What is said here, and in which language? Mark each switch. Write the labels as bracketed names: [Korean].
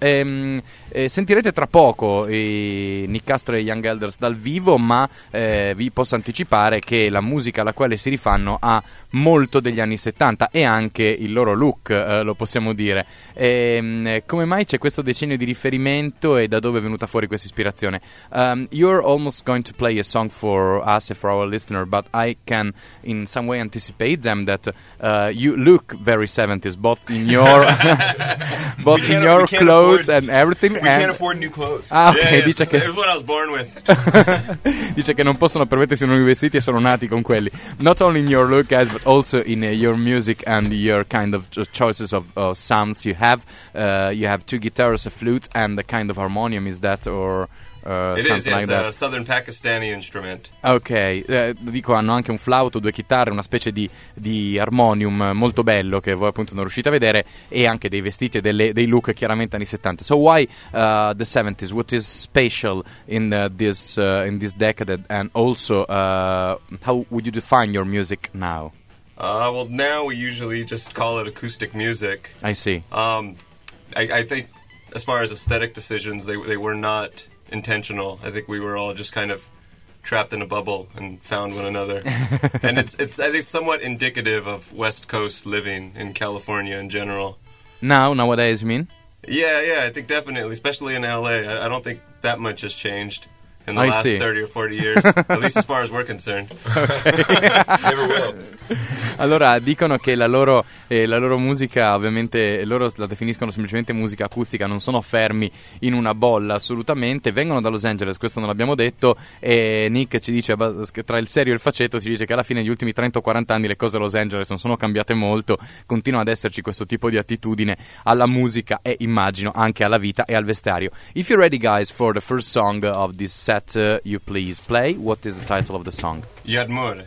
[Italian] E sentirete tra poco Nick Castro e Young Elders dal vivo, ma vi posso anticipare che la musica alla quale si rifanno ha molto degli anni 70 e anche il loro look, lo possiamo dire. E come mai c'è questo decennio di riferimento e da dove è venuta fuori questa ispirazione? [English] You're almost going to play a song for us, for our listener, but I can in some way anticipate them that you look very 70s, both in your... Both in your clothes and everything. We can't afford new clothes. Ah, okay. Yeah, [Italian] dice che [English] it's what I was born with. [Italian] Dice che non possono permettersi nuovi vestiti e sono nati con quelli. [English] Not only in your look, guys, but also in your music and your kind of choices of sounds you have. You have two guitars, a flute, and a kind of harmonium. Is that or It's a southern Pakistani instrument. [Italian] Ok, dico, hanno anche un flauto, due chitarre, una specie di harmonium molto bello che voi appunto non riuscite a vedere, e anche dei vestiti e dei look chiaramente anni 70. [English] So why the 70s? What is special in this decade? And also how would you define your music now? Well, now we usually just call it acoustic music. I see. I think as far as aesthetic decisions, they were not intentional. I think we were all just kind of trapped in a bubble and found one another. And it's I think somewhat indicative of West Coast living in California in general. Nowadays, you mean? Yeah, I think definitely, especially in LA. I don't think that much has changed in the last 30 or 40 years, at least as far as we're concerned. Okay. Never will. [Italian] Allora, dicono che la loro musica, ovviamente loro la definiscono semplicemente musica acustica, non sono fermi in una bolla assolutamente, vengono da Los Angeles, questo non l'abbiamo detto, e Nick ci dice, tra il serio e il faceto, ci dice che alla fine degli ultimi 30 o 40 anni le cose a Los Angeles non sono cambiate molto, continua ad esserci questo tipo di attitudine alla musica e immagino anche alla vita e al vestiario. [English] If you're ready, guys, for the first song of this set, you please play. What is the title of the song? Yadmur, which is the Turkish word for rain.